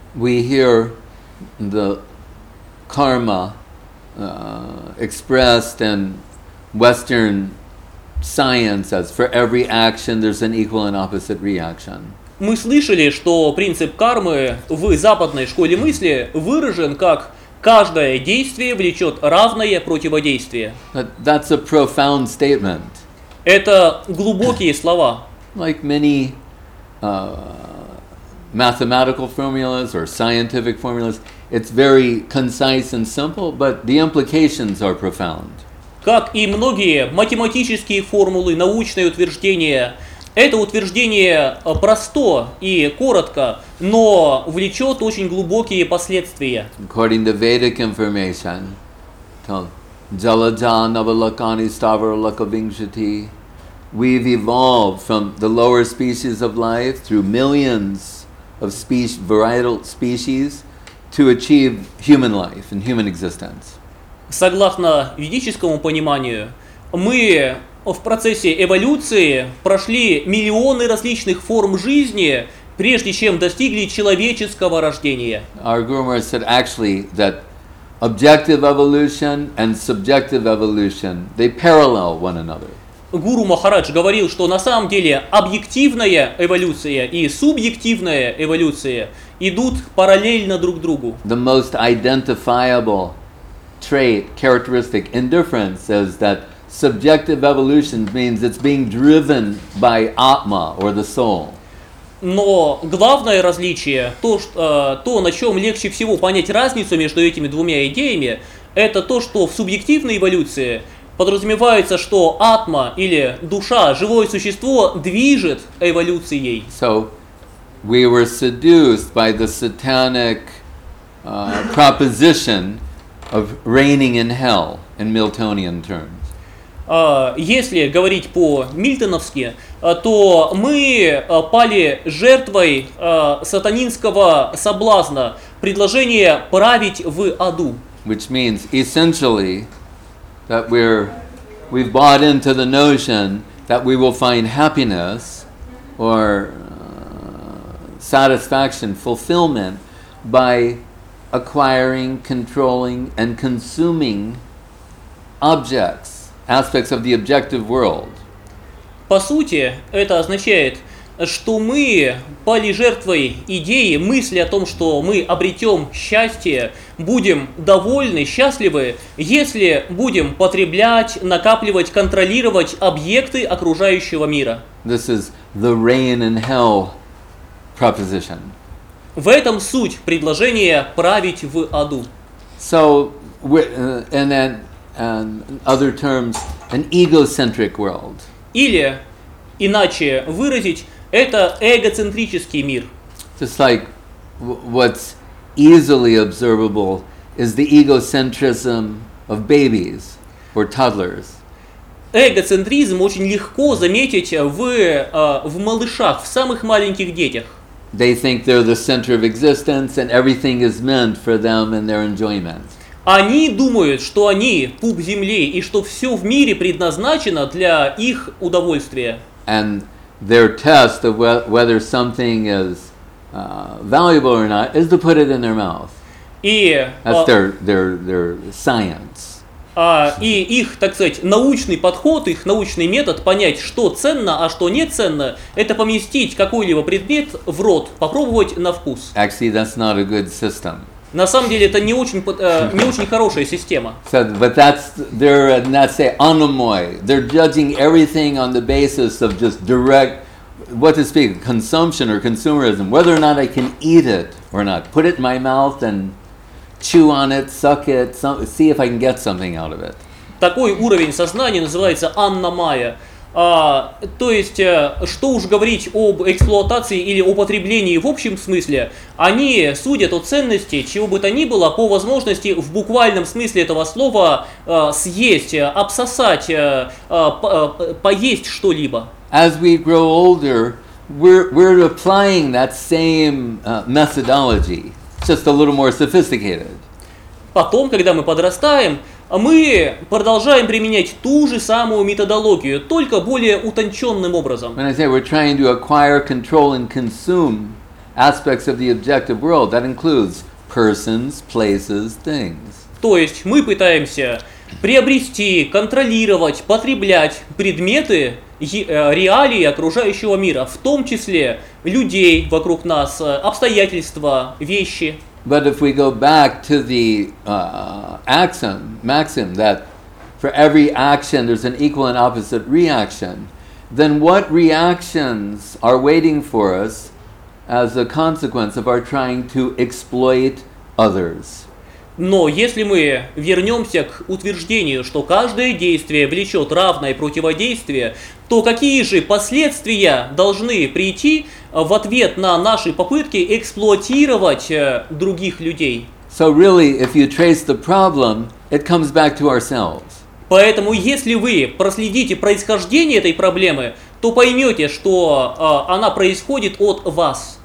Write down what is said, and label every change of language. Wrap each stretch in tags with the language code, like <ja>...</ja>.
<en>We hear the karma expressed in Western science as for every action there's an equal and opposite reaction.</en> <ru>Мы слышали, что принцип кармы в западной школе мысли выражен как каждое действие влечет равное противодействие.</ru> <en>That's a profound statement.</en> <ru>Это глубокие слова.</ru> <en>Like many mathematical formulas or scientific formulas, it's very concise and simple, but the implications are profound.</en> <ru>Как и многие математические формулы, научные утверждения, это утверждение просто и коротко, но влечет очень глубокие последствия.</ru> <en>According to Vedic information,</en> <sa>Jalaja Navalakani Stavara Lakavingshati,</sa> <en>we've evolved from the lower species of life through millions of species, varietal species to achieve human life and human existence.</en> <ru>Согласно ведическому пониманию, мы в процессе эволюции прошли миллионы различных форм жизни, прежде чем достигли человеческого рождения.</ru> <en>Our guru Maharaj said actually that objective evolution and subjective evolution, they parallel one another.</en> <ru>Гуру Махарадж говорил, что на самом деле объективная эволюция и субъективная эволюция идут параллельно друг другу.</ru> <en>The most identifiable trait, characteristic, and difference is that subjective evolution means it's being driven by Atma or the soul.</en> <ru>Но главное различие, то, на чем легче всего понять разницу между этими двумя идеями, это то, что в субъективной эволюции подразумевается, что Атма или душа, живое существо, движет эволюцией.</ru> <en>So we were seduced by the satanic proposition of reigning in hell in Miltonian terms.</en> <ru>Если говорить по-мильтоновски, то мы пали жертвой сатанинского соблазна, предложение править в аду.</ru> <en>Which means essentially that we've bought into the notion that we will find happiness or satisfaction, fulfillment by acquiring, controlling and consuming objects. Aspects of the objective world.</en> <ru>По сути, это означает, что мы пали жертвой идеи, мысли о том, что мы обретем счастье, будем довольны, счастливы, если будем потреблять, накапливать, контролировать объекты окружающего мира.</ru> <en>This is the reign in hell proposition.</en> <ru>В этом суть предложения править в аду.</ru> <en>So, and then and other terms, an egocentric world.</en> <ru>Или, иначе выразить, это эгоцентрический мир.</ru> <en>Just like what's easily observable is the egocentrism of babies or toddlers.</en> <ru>Эгоцентризм очень легко заметить в малышах, в самых маленьких детях.</ru> <en>They think they're the center of existence and everything is meant for them and their enjoyment.</en> <ru>Они думают, что они пуп земли и что все в мире предназначено для их удовольствия.</ru> <en>And their test of whether something is valuable or not is to put it in their mouth.</en> <ru>И,</ru> <en>that's their science.</en> <ru>И их, так сказать, научный подход, их научный метод понять, что ценно, а что не ценно, это поместить какой-либо предмет в рот, попробовать на вкус.</ru> <en>Actually, that's not a good system.</en> <ru>На самом деле это не очень хорошая система.</ru> <en>So, but that's they're not say anomoi. They're judging everything on the basis of just direct what to speak, consumption or consumerism, whether or not I can eat it or not. Put it in my mouth and chew on it, suck it, see if I can get something out of it.</en> <ru>Такой уровень сознания называется аннамая. То есть, что уж говорить об эксплуатации или употреблении в общем смысле, они судят о ценности чего бы то ни было по возможности в буквальном смысле этого слова съесть, обсосать, поесть что-либо.</ru> <en>As we grow older, we're applying that same methodology, just a little more sophisticated.</en> <ru>Потом, когда мы подрастаем, мы продолжаем применять ту же самую методологию, только более утонченным образом.</ru> <en>When I say we're trying to acquire, control, and consume aspects of the objective world, that includes persons, places, things.</en> <ru>То есть мы пытаемся приобрести, контролировать, потреблять предметы, реалии окружающего мира, в том числе людей вокруг нас, обстоятельства, вещи.</ru> <en>But if we go back to the maxim that for every action there's an equal and opposite reaction, then what reactions are waiting for us as a consequence of our trying to exploit others?</en> <ru>Но если мы вернемся к утверждению, что каждое действие влечет равное противодействие, то какие же последствия должны прийти в ответ на наши попытки эксплуатировать других людей?</ru> <en>So really, if you trace the problem, it comes back to ourselves.</en> <ru>Поэтому если вы проследите происхождение этой проблемы, то поймете, что она происходит от вас.</ru>